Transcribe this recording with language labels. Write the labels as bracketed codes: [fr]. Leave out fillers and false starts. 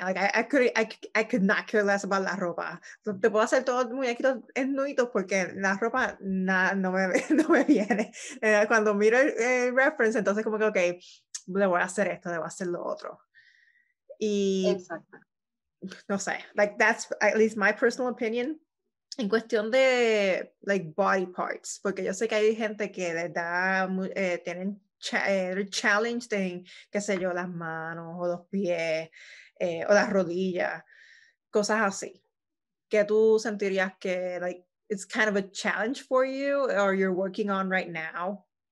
[en] Like, I could not care less about [es] la ropa. Te puedo hacer todos los muñequitos en nuditos porque la ropa no me viene. Cuando miro el reference, entonces como que, ok, le voy a hacer esto, le voy a hacer lo otro. Y, exacto. No sé, [en] like, that's at least my personal opinion. [es] En cuestión de, like, [en] body parts, [es] porque yo sé que hay gente que les da, tienen challenge de, qué sé yo, las manos, o los pies, o las rodillas, cosas así. ¿Qué tú sentirías que, [en] like, it's kind of a challenge for you, or you're working on right now?